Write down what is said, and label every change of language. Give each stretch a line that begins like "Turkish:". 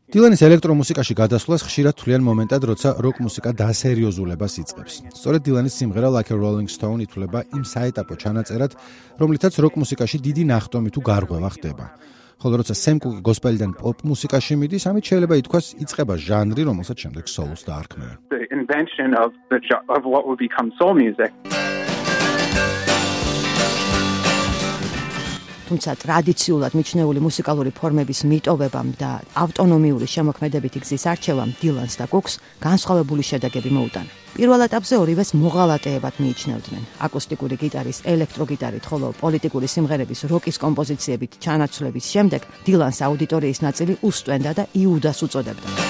Georgian: დილანის ელექტრო მუსიკაში გადასვლას ხშირად თვლიან მომენტად, როცა როკ მუსიკა დასერიოზულებას იწყებს. სწორედ დილანის სიმღერა Like a Rolling Stone ითვლება იმ საეტაპო ჩანაწერად, რომლითაც როკ მუსიკაში დიდი ნახტომი თუ გარღვევა ხდება. ხოლო როცა სემ კუკი გოსპელიდან პოპ მუსიკაში მიდის, ამით შეიძლება ითქვას, იწყება ჟანრი, რომელსაც შემდეგ სოულს დაარქმევენ.
English: Invention of what would become soul music.
Georgian: თუმცა ტრადიციულად მიჩნეული მუსიკალური ფორმების მიტოვებამ და ავტონომიური შემოქმედებითი გზის არჩევამ დილანს და კუკს განსხვავებული შედეგები მოუტანა. პირველ ეტაპზე ორივეს მოღალატეებად მიიჩნევდნენ. აკუსტიკური გიტარის ელექტროგიტარით, ხოლო პოლიტიკური სიმღერების როკის კომპოზიციებით ჩანაცვლების შემდეგ დილანს აუდიტორიის ნაწილი უსწვენდა და იუდას უწოდებდა.